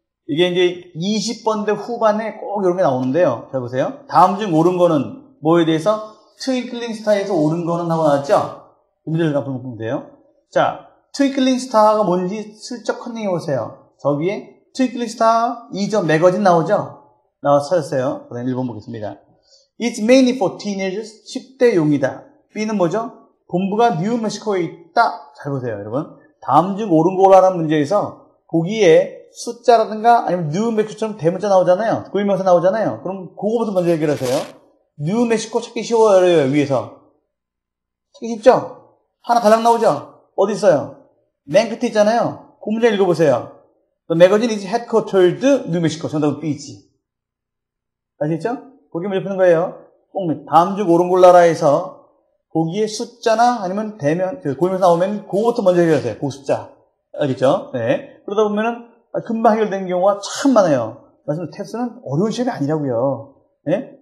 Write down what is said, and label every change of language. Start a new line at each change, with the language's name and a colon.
Korean: 이게 이제 20번대 후반에 꼭 이런 게 나오는데요. 잘 보세요. 다음 중 옳은 거는 뭐에 대해서? 트윙클링 스타에서 옳은 거는 하고 나왔죠? 이 문제를 한번 보면 돼요. 자, 트윙클링 스타가 뭔지 슬쩍 컨닝해 보세요. 저기에 트윙클링 스타 2점 매거진 나오죠? 나와서 찾았어요. 그 다음 1번 보겠습니다.
English: It's mainly for teenagers,
Korean: 10대 용이다. B는 뭐죠? 본부가 뉴멕시코에 있다. 잘 보세요, 여러분. 다음 중 옳은 거라는 문제에서 보기에 숫자라든가 아니면 뉴멕시코처럼 대문자 나오잖아요. 고유명사 나오잖아요. 그럼 그거부터 먼저 해결하세요. 뉴멕시코 찾기 쉬워요. 위에서 찾기 쉽죠? 하나 달랑 나오죠? 어디 있어요? 맨 끝에 있잖아요. 그 문장 읽어보세요.
English: The magazine is headquartered New Mexico.
Korean: 정답은 B지. 아시겠죠? 보기 먼저 푸는 거예요. 꼭 다음 중 옳은 골라라에서 보기에 숫자나 아니면 대면 고유명사 나오면 그거부터 먼저 해결하세요. 그 숫자. 알겠죠? 네. 그러다 보면은 금방 해결되는 경우가 참 많아요. 말씀 테스트는 어려운 시험이 아니라고요. 예?